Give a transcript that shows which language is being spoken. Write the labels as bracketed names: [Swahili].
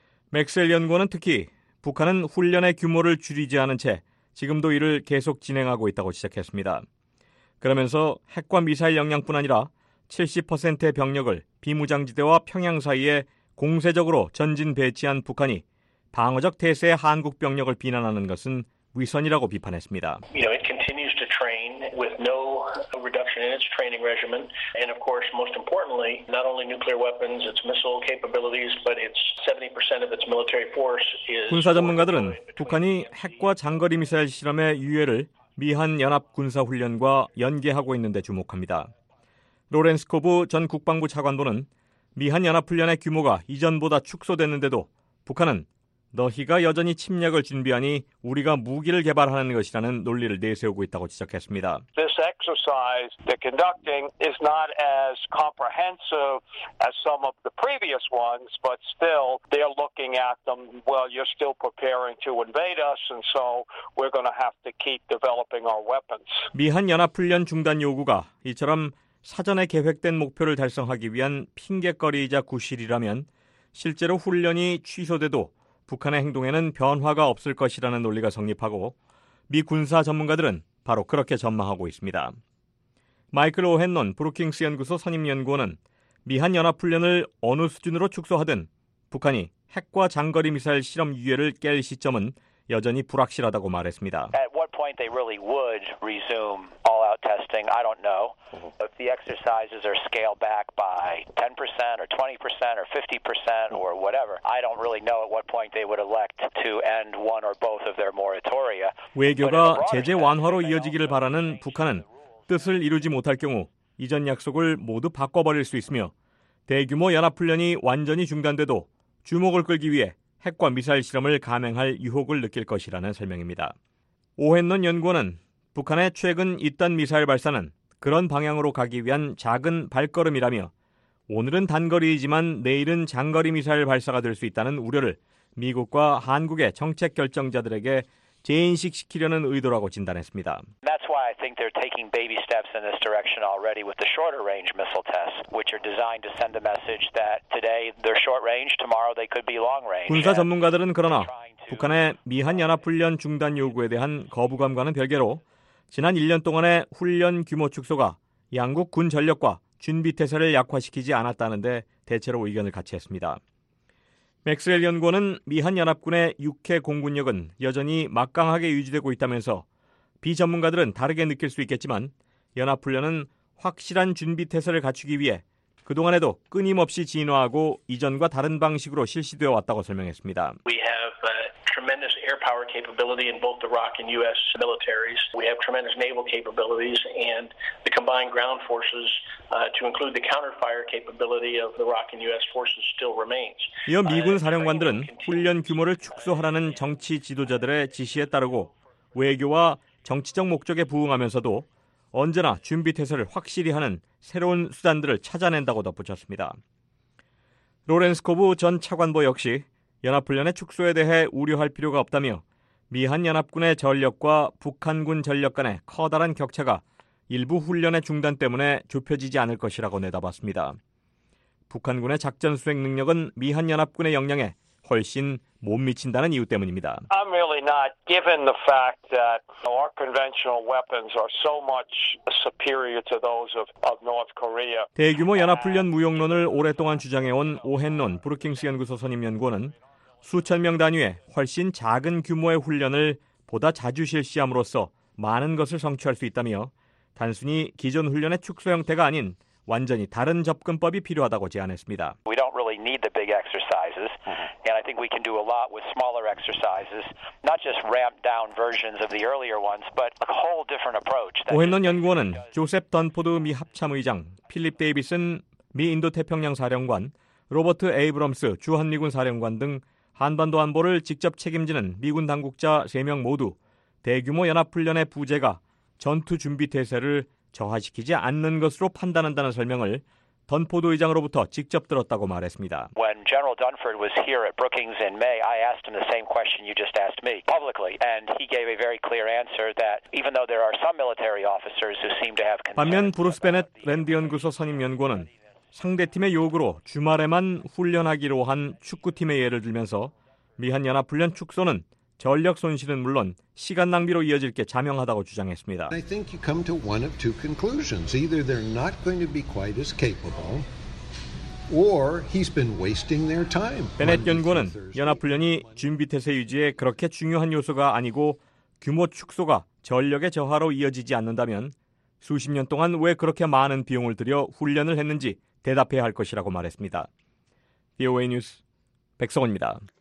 [Korean] 맥스웰 연구원은 특히 북한은 훈련의 규모를 줄이지 않은 채 지금도 이를 계속 진행하고 있다고 지적했습니다. 그러면서 핵과 미사일 역량뿐 아니라 70%의 병력을 비무장지대와 평양 사이에 공세적으로 전진 배치한 북한이 방어적 태세의 한국 병력을 비난하는 것은 위선이라고 비판했습니다. [English] train with no reduction in its training regimen. And of course, most importantly, not only nuclear weapons, its missile capabilities, but its 70% of its military force is... [Korean] 군사 전문가들은 북한이 핵과 장거리 미사일 실험의 유예를 미한 연합 군사 훈련과 연계하고 있는데 주목합니다. 로렌스 코브 전 국방부 차관보는 미한 연합 훈련의 규모가 이전보다 축소됐는데도 북한은 너희가 여전히 침략을 준비하니 우리가 무기를 개발하는 것이라는 논리를 내세우고 있다고 지적했습니다. [English] This exercise they're conducting is not as comprehensive as some of the previous ones, but still they're looking at them. Well, you're still preparing to invade us, and so we're going to have to keep developing our weapons. [Korean] 미한 연합 훈련 중단 요구가 이처럼 사전에 계획된 목표를 달성하기 위한 핑계거리이자 구실이라면 실제로 훈련이 취소돼도 북한의 행동에는 변화가 없을 것이라는 논리가 성립하고 미 군사 전문가들은 바로 그렇게 전망하고 있습니다. 마이클 오헨론 브루킹스 연구소 선임연구원은 미한 연합훈련을 어느 수준으로 축소하든 북한이 핵과 장거리 미사일 실험 유예를 깰 시점은 여전히 불확실하다고 말했습니다. [English] At what point they really would resume all-out testing, I don't know. If the exercises are scaled back by 10% or 20% or 50% or whatever, I don't really know at what point they would elect to end one or both of their moratoria. [Korean] 외교가 제재 완화로 이어지기를 바라는 북한은 뜻을 이루지 못할 경우 이전 약속을 모두 바꿔버릴 수 있으며 대규모 연합훈련이 완전히 중단돼도 주목을 끌기 위해 핵과 미사일 실험을 감행할 유혹을 느낄 것이라는 설명입니다. 오헨론 연구원은 북한의 최근 잇단 미사일 발사는 그런 방향으로 가기 위한 작은 발걸음이라며 오늘은 단거리이지만 내일은 장거리 미사일 발사가 될 수 있다는 우려를 미국과 한국의 정책 결정자들에게 재인식시키려는 의도라고 진단했습니다. [English] That's why I think they're taking baby steps in this direction already with the shorter range missile tests, which are designed to send a message that today they're short range, tomorrow they could be long range. [Korean] 군사 전문가들은 그러나 북한의 미한 연합 훈련 중단 요구에 대한 거부감과는 별개로 지난 1년 동안의 훈련 규모 축소가 양국 군 전력과 준비 태세를 약화시키지 않았다는데 대체로 의견을 같이 했습니다. 맥스웰 연구원은 미한 연합군의 육해 공군력은 여전히 막강하게 유지되고 있다면서 비전문가들은 다르게 느낄 수 있겠지만 연합훈련은 확실한 준비태세를 갖추기 위해 그동안에도 끊임없이 진화하고 이전과 다른 방식으로 실시되어 왔다고 설명했습니다. [English] We have a tremendous air power capability in both the ROC and U.S. militaries. We have tremendous naval capabilities and the combined ground forces to include the counterfire capability of the ROC and U.S. forces still remains. [Korean] 이어 미군 사령관들은 훈련 규모를 축소하라는 정치 지도자들의 지시에 따르고 외교와 정치적 목적에 부응하면서도 언제나 준비태세를 확실히 하는 새로운 수단들을 찾아낸다고 덧붙였습니다. 로렌스 코브 전 차관보 역시 연합훈련의 축소에 대해 우려할 필요가 없다며 미한 연합군의 전력과 북한군 전력 간의 커다란 격차가 일부 훈련의 중단 때문에 좁혀지지 않을 것이라고 내다봤습니다. 북한군의 작전 수행 능력은 미한 연합군의 역량에 훨씬 못 미친다는 이유 때문입니다. [English] I'm really not given the fact that our conventional weapons are so much superior to those of North Korea. [Korean] 대규모 연합훈련 무용론을 오랫동안 주장해온 오헨론 브루킹스 연구소 선임 연구원은 수천 명 단위의 훨씬 작은 규모의 훈련을 보다 자주 실시함으로써 많은 것을 성취할 수 있다며 단순히 기존 훈련의 축소 형태가 아닌 완전히 다른 접근법이 필요하다고 제안했습니다. [English] We don't really need the big exercises. And I think we can do a lot with smaller exercises, not just ramped down versions of the earlier ones, but a whole different approach. [Korean] 오헨론 연구원은 조셉 던포드 미 합참의장, 필립 데이비슨 미 인도태평양 사령관, 로버트 에이브럼스 주한미군 사령관 등 한반도 안보를 직접 책임지는 미군 당국자 3명 모두 대규모 연합훈련의 부재가 전투 준비 태세를 저하시키지 않는 것으로 판단한다는 설명을 던포드 의장으로부터 직접 들었다고 말했습니다. [English] When General Dunford was here at Brookings in May, I asked him the same question you just asked me publicly, and he gave a very clear answer that even though there are some military officers who seem to have concerns. [Korean] 반면 브루스 베넷 랜드 연구소 선임 연구원은 상대팀의 요구로 주말에만 훈련하기로 한 축구팀의 예를 들면서 미한 연합 훈련 축소는 전력 손실은 물론 시간 낭비로 이어질 게 자명하다고 주장했습니다. [English] I think you come to one of two conclusions. Either they're not going to be quite as capable or he's been wasting their time. [Korean] 베넷 연구원은 연합 훈련이 준비 태세 유지에 그렇게 중요한 요소가 아니고 규모 축소가 전력의 저하로 이어지지 않는다면 수십 년 동안 왜 그렇게 많은 비용을 들여 훈련을 했는지 대답해야 할 것이라고 말했습니다. VOA 뉴스 백성원입니다.